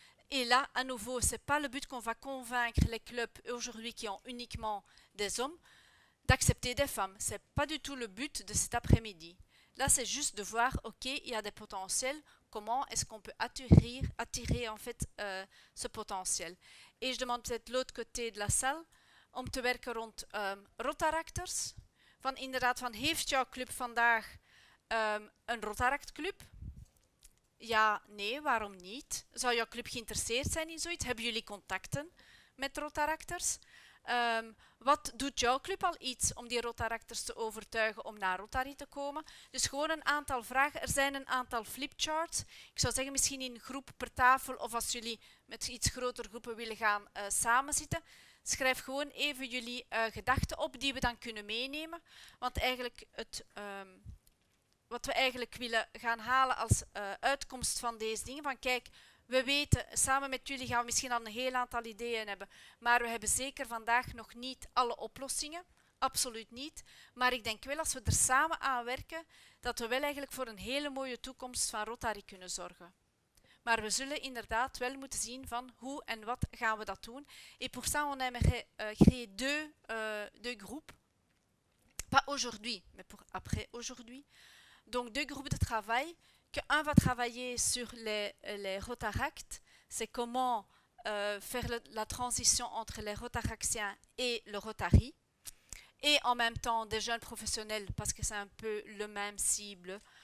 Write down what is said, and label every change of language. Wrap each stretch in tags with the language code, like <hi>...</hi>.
<fr>Et là, à nouveau, ce n'est pas le but qu'on va convaincre les clubs aujourd'hui qui ont uniquement des hommes d'accepter des femmes. Ce n'est pas du tout le but de cet après-midi. Là, c'est juste de voir, OK, il y a des potentiels, comment est-ce qu'on peut attirer en fait, ce potentiel. Et je demande peut-être l'autre côté de la salle,</fr> <nl>om te werken rond Rotaractors. Van inderdaad, van heeft jouw club vandaag een Rotaract-club? Ja, nee, waarom niet? Zou jouw club geïnteresseerd zijn in zoiets? Hebben jullie contacten met Rotaractors? Wat doet jouw club al iets om die Rotaractors te overtuigen om naar Rotary te komen? Dus gewoon een aantal vragen. Er zijn een aantal flipcharts. Ik zou zeggen, misschien in groep per tafel of als jullie met iets grotere groepen willen gaan samenzitten. Schrijf gewoon even jullie gedachten op die we dan kunnen meenemen. Want eigenlijk wat we eigenlijk willen gaan halen als uitkomst van deze dingen, van kijk... We weten, samen met jullie gaan we misschien al een heel aantal ideeën hebben, maar we hebben zeker vandaag nog niet alle oplossingen, absoluut niet. Maar ik denk wel, als we er samen aan werken, dat we wel eigenlijk voor een hele mooie toekomst van Rotary kunnen zorgen. Maar we zullen inderdaad wel moeten zien van hoe en wat gaan we dat doen.</nl> <fr>Et pour ça, on aimerait créer deux groupes, pas aujourd'hui, mais pour après aujourd'hui. Donc deux groupes de travail. Qu'un va travailler sur les Rotaractes, c'est comment faire la transition entre les Rotaractiens et le Rotary, et en même temps des jeunes professionnels, parce que c'est un peu le même cible.</fr>